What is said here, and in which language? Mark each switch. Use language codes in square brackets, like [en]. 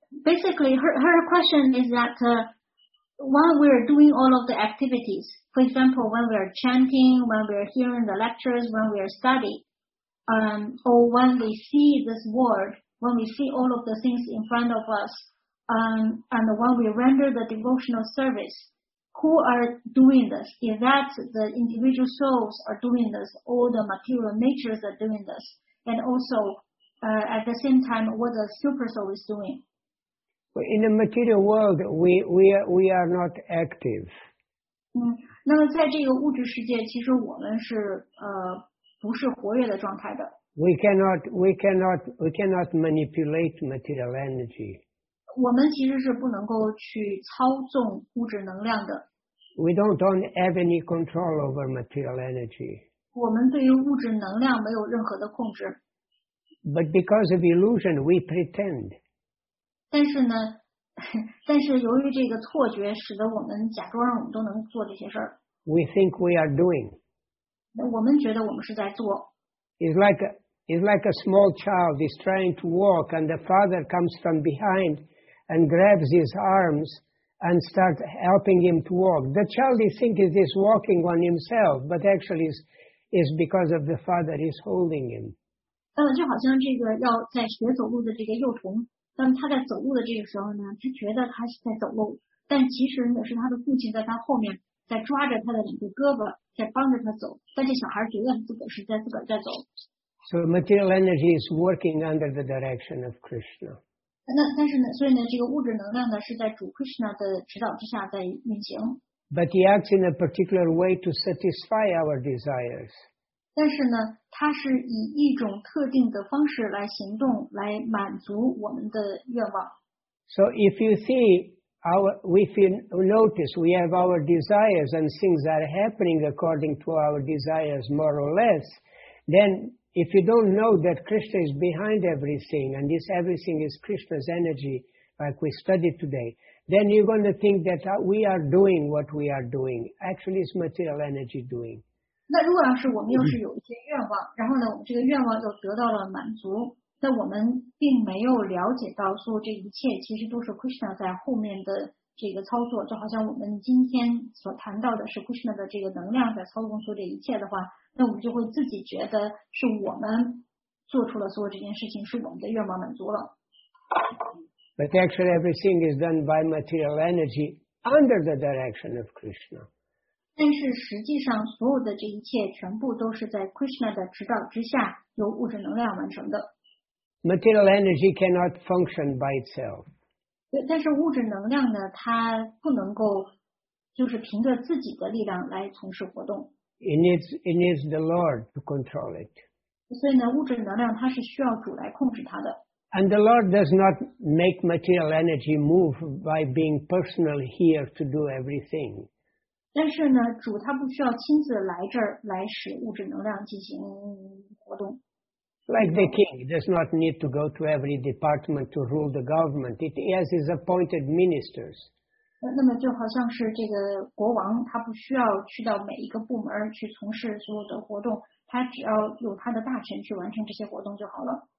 [en] Basically, her question is that while we're doing all of the activities, for example, when we're chanting, when we're hearing the lectures, when we're studying, or when we see this word, when we see all of the things in front of us, and when we render the devotional service, who are doing this? Is that the individual souls are doing this, or the material natures are doing this? And also, at the same time, what the super soul is doing? In the material world, we are not active. [zh] 那么在这个物质世界，其实我们是不是活跃的状态的。 [en] We cannot manipulate material energy. [zh] 我们其实是不能够去操纵物质能量的。 [en] We don't have any control over material energy. [zh] 我们对于物质能量没有任何的控制。 [en] But because of illusion, we pretend. [zh] 但是由于这个错觉，使得我们假装我们都能做这些事儿。 [en] We think we are doing. [zh] 我们觉得我们是在做。 [en] It's like a small child is trying to walk, and the father comes from behind. And grabs his arms and starts helping him to walk. The child is thinking he's walking on himself, but actually is because of the father is holding him. [zh] 就好像这个要在学走路的这个幼童，当他在走路的这个时候呢，他觉得他是在走路，但其实呢是他的父亲在他后面，在抓着他的两个胳膊，在帮着他走。但这小孩觉得自个是在自个在走。 [en] So material energy is working under the direction of Krishna. [zh] 但是呢，所以呢，这个物质能量呢是在主 Krishna 的指导之下在运行。 [en] But he acts in a particular way to satisfy our desires. [zh] 但是呢，他是以一种特定的方式来行动，来满足我们的愿望。 [en] So if you see our, if you notice, we have our desires and things are happening according to our desires more or less, then if you don't know that Krishna is behind everything and this everything is Krishna's energy, like we studied today, then you're going to think that we are doing what we are doing. Actually, it's material energy doing. [zh] 那如果要是我们又是有一些愿望，然后呢，我们这个愿望又得到了满足，那我们并没有了解到说这一切其实都是 Krishna 在后面的这个操作，就好像我们今天所谈到的是 Krishna 的这个能量在操控出这一切的话，那我们就会自己觉得是我们做出了所有这件事情，是我们的愿望满足了。 [en] But actually everything is done by material energy under the direction of Krishna. [zh] 但是实际上所有的这一切全部都是在 Krishna 的指导之下由物质能量完成的。 [en] Material energy cannot function by itself. [zh] 但是物质能量呢，它不能够就是凭着自己的力量来从事活动。 [en] It needs the Lord to control it. [zh] 所以呢，物质能量它是需要主来控制它的。 [en] And the Lord does not make material energy move by being personally here to do everything. [zh] 但是呢，主他不需要亲自来这儿来使物质能量进行活动。 [en] Like the king does not need to go to every department to rule the government. It has his appointed ministers. [zh] 那么就好像是这个国王，他不需要去到每一个部门去从事所有的活动，他只要有他的大臣去完成这些活动就好了。